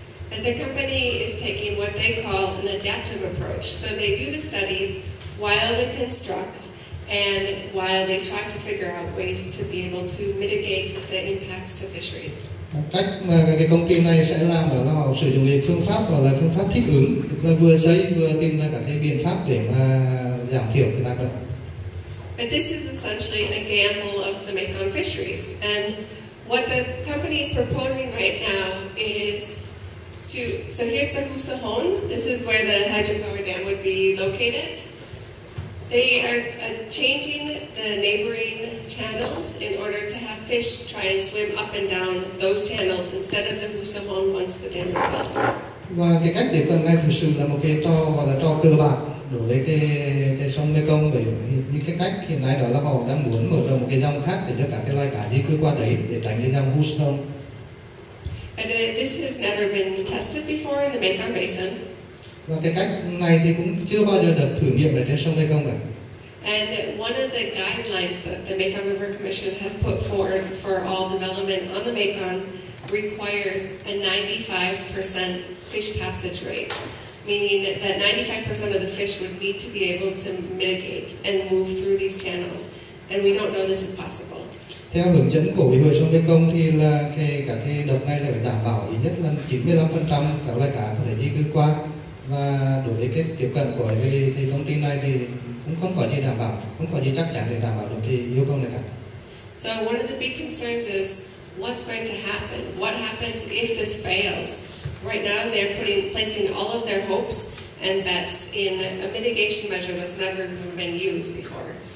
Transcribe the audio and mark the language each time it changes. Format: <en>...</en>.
<en>And the company is taking what they call an adaptive approach. So they do the studies while they construct and while they try to figure out ways to be able to mitigate the impacts to fisheries.</en> <vi>Cách mà cái công ty này sẽ làm đó là họ sử dụng cái phương pháp gọi là phương pháp thích ứng, tức là vừa xây vừa tìm ra các cái biện pháp để mà giảm thiểu cái tác động.</vi> <en>But this is essentially a gamble of the Mekong fisheries, and what the company is proposing right now is. So here's the Husahon. This is where the hydropower dam would be located. They are changing the neighboring channels in order to have fish try and swim up and down those channels instead of the Husahon once the dam is built.</en> <vi>Và cái cách tiếp cận này thực sự là một cái trò cờ bạc. đối với cái sông Mê Công, những cái cách hiện nay đó là họ đang muốn mở rộng một cái dòng khác để cho cả cái loài cá di cư qua đấy để tránh cái dòng Houston.</vi> <en>And this has never been tested before in the Mekong Basin.</en> <vi>Và cái cách này thì cũng chưa bao giờ được thử nghiệm ở trên sông Mekong cả.</vi> <en>And one of the guidelines that the Mekong River Commission has put forward for all development on the Mekong requires a 95% fish passage rate, meaning that 95% of the fish would need to be able to mitigate and move through these channels, and we don't know this is possible.</en> <vi>Theo hướng dẫn của ủy hội sông Mê Công thì là cả cái đập này là phải đảm bảo ít nhất là 95% các loài cá có thể di cư qua, và đối với cái tiếp cận của cái công ty này thì cũng không có gì đảm bảo, không có gì chắc chắn để đảm bảo được cái yêu cầu này cả.</vi> <en>So one of the big concerns is what's going to happen? What happens if this fails? Right now they're placing all of their hopes and bets in a mitigation measure that's never been used before.</en>